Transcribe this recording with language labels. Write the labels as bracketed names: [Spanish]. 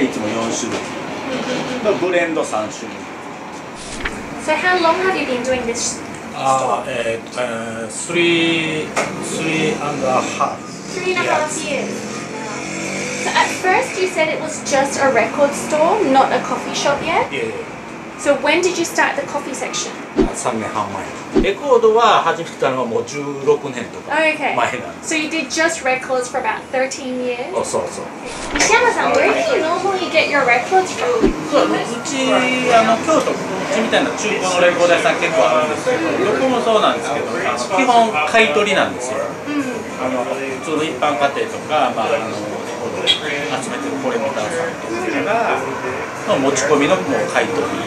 [Japanese] コーヒービーンズはいろいろなんですけど、シングルオリジンでだいたいいつも4種類のブレンド3種類。 [English] So how long have you been doing this store? Three and a half years. So at first you said it was just a record store, not a coffee shop yet? Yeah. So when did you start the coffee section? [Japanese] 3年半前。レコードは始めたのはもう16年とか前なんです。 [English] Okay. So you did just records for about 13 years? [Japanese] そうそう。 [English] 西山さん、 where do you normally get your records from? [Japanese] うち、京都みたいな中古のレコード屋さん結構あるんですけど、どこもそうなんですけど、基本買い取りなんですよ。普通の一般家庭とか、レコード集めてるポレモタンさんとかの持ち込みの買い取り。